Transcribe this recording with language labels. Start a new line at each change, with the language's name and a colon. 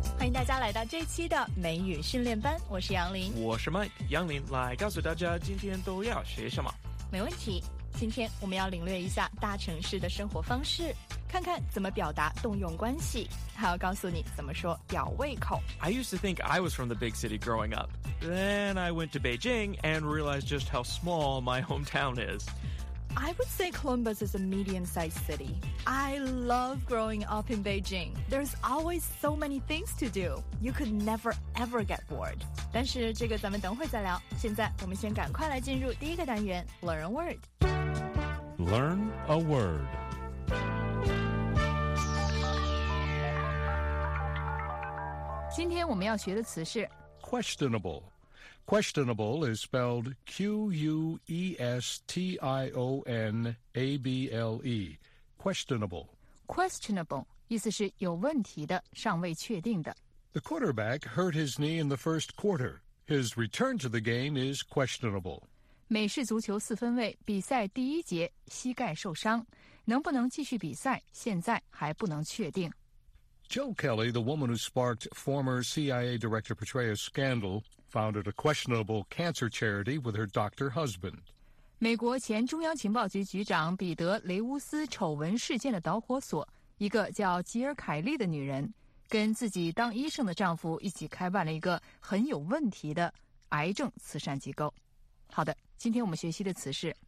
Chinese: 大家来到这期的美语训练班，我是杨林。我是麦杨林，来告诉大家今天都要学什么。没问题，今天我们要领略一下大城市的生活方式，看看怎么表达动用关系，还要告诉你怎么说吊胃口。
English: I used to think I was from the big city growing up. Then I went to Beijing and realized just how small my hometown is. I would say Columbus is a medium-sized city. I love growing up in Beijing. There's always so many things to do. You could never ever get bored.
Chinese: 但是这个咱们等会再聊，现在我们先赶快来进入第一个单元
English: Learn a Word. Learn a Word.
Chinese: 今天我们要学的词是
English: questionable. Questionable is spelled Q-U-E-S-T-I-O-N-A-B-L-E. Questionable.
Chinese: Questionable 意思是有问题的，尚未确定的。
English: The quarterback hurt his knee in the first quarter. His return to the game is questionable.
Chinese: 美式足球四分卫比赛第一节膝盖受伤，能不能继续比赛，现在还不能确定。
English: Jill Kelly, the woman who sparked former CIA Director Petraeus' scandal, founded a questionable cancer charity with her doctor husband.
Chinese: 美国前中央情报局局长彼得·雷乌斯丑闻事件的导火索，一个叫吉尔·凯利的女人，跟自己当医生的丈夫一起开办了一个很有问题的癌症慈善机构。好的，今天我们学习的词是